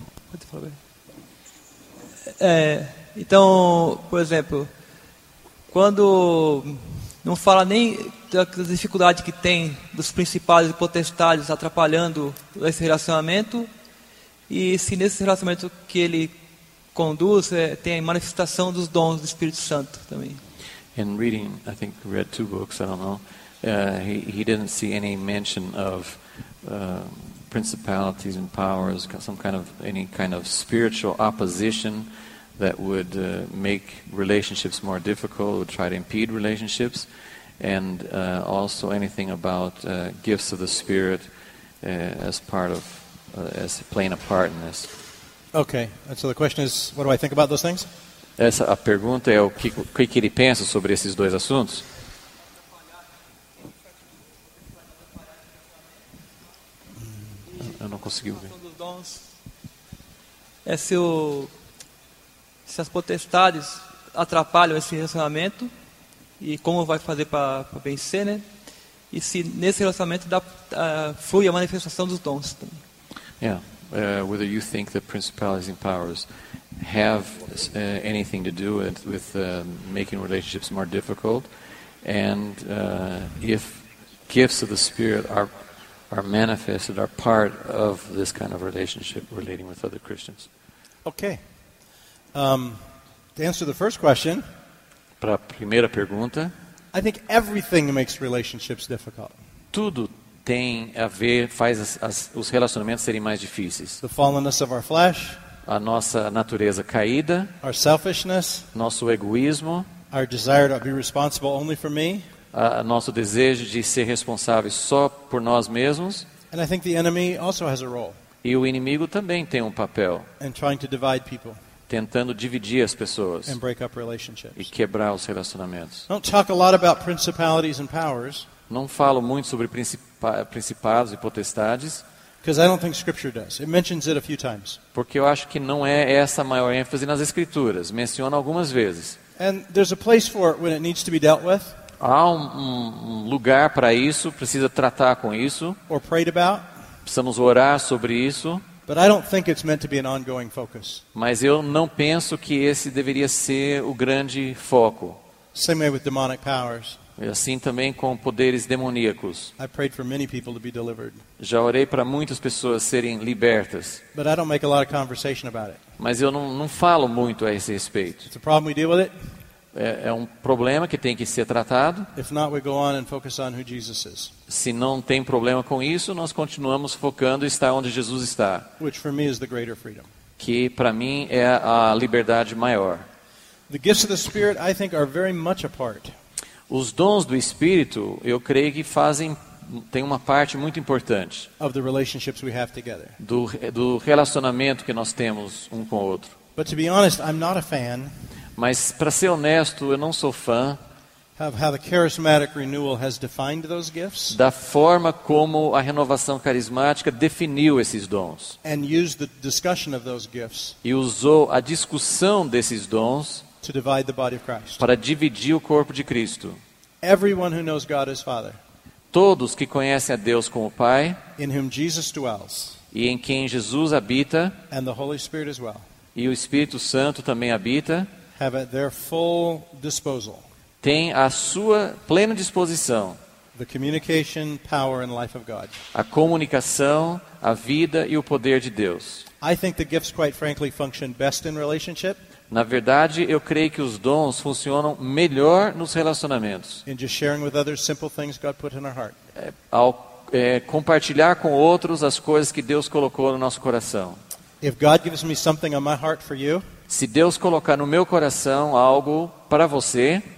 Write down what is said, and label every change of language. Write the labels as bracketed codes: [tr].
[pt] Pode falar bem. Então, por exemplo, quando não fala nem da dificuldade que tem dos principais e potestades atrapalhando esse relacionamento, e se nesse relacionamento que ele conduz tem a manifestação dos dons do Espírito Santo também. [en] In reading, I think he read two books, I don't know, he didn't see any mention of principalities and powers, any kind of spiritual opposition that would make relationships more difficult, would try to impede relationships, and also anything about gifts of the Spirit as part of, as playing a part in this. Okay, so the question is, what do I think about those things? [pt] Essa a pergunta é o que ele pensa sobre esses dois assuntos. Eu não consegui ouvir. É se as potestades atrapalham esse relacionamento e como vai fazer para vencer, né? E se nesse relacionamento flui a manifestação dos dons também. [en] Yeah. Whether you think the principalities and powers have anything to do with making relationships more difficult, and if gifts of the Spirit are manifested, are part of this kind of relationship relating with other Christians. Okay. To answer the first question, [pt] para a primeira pergunta, [en] I think everything makes relationships difficult. [pt] Tudo tem a ver, faz os relacionamentos serem mais difíceis. [en] The fallenness of our flesh, [pt] a nossa natureza caída, [en] our selfishness, [pt] nosso egoísmo, [en] our desire to be responsible only for me, [pt] a nosso desejo de ser responsável só por nós mesmos. [en] And I think the enemy also has a role, [pt] e o inimigo também tem um papel [en] in trying to divide people, [pt] tentando dividir as pessoas [en] and break up relationships, [pt] e quebrar os relacionamentos. [en] Don't talk a lot about principalities and powers. [pt] Não falo muito sobre principados e potestades. [en] Because I don't think scripture does. It mentions it a few times. [pt] Porque eu acho que não é essa a maior ênfase nas escrituras. Menciona algumas vezes. [en] And there's a place for it when it needs to be dealt with. [pt] Há um lugar para isso, precisa tratar com isso. [en] Or prayed about. [pt] Precisamos orar sobre isso. [en] But I don't think it's meant to be an ongoing focus. [pt] Mas eu não penso que esse deveria ser o grande foco. [en] Same way with demonic powers. [pt] E assim também com poderes demoníacos. [en] I prayed for many people to be delivered. [pt] Já orei para muitas pessoas serem libertas. [en] But I don't make a lot of conversation about it. [pt] Mas eu não falo muito a esse respeito. [en] It's a problem we deal with it. [pt] É um problema que tem que ser tratado. [en] If not, we go on and focus on who Jesus is. [pt] Se não tem problema com isso, nós continuamos focando em estar onde Jesus está. [en] Which for me is the greater freedom. [pt] Que para mim é a liberdade maior. [en] The gifts of the Spirit, I think, are very much a part. [pt] Os dons do Espírito, eu creio que têm uma parte muito importante [en] of the relationships we have together. [pt] Do relacionamento que nós temos um com o outro. [en] But to be honest, I'm not a fan. [pt] Mas, para ser honesto, eu não sou fã [en] how the charismatic renewal has defined those gifts, [pt] da forma como a renovação carismática definiu esses dons, [en] and used the discussion of those gifts, [pt] e usou a discussão desses dons, [en] to divide the body of Christ, [pt] para dividir o corpo de Cristo. [en] Everyone who knows God as Father, [pt] todos que conhecem a Deus como Pai, [en] in whom Jesus dwells, [pt] e em quem Jesus habita, [en] and the Holy Spirit as well, [pt] e o Espírito Santo também habita, [en] have at their full disposal, [pt] tem à sua plena disposição [en] the communication, power, and life of God, [pt] a comunicação, a vida e o poder de Deus. [en] I think the gifts, quite frankly, function best in relationship. [pt] Na verdade, eu creio que os dons funcionam melhor nos relacionamentos. [en] In just sharing with others simple things God put in our heart. [pt] Compartilhar com outros as coisas que Deus colocou no nosso coração. [en] If God gives me something on my heart for you, [pt] se Deus colocar no meu coração algo para você,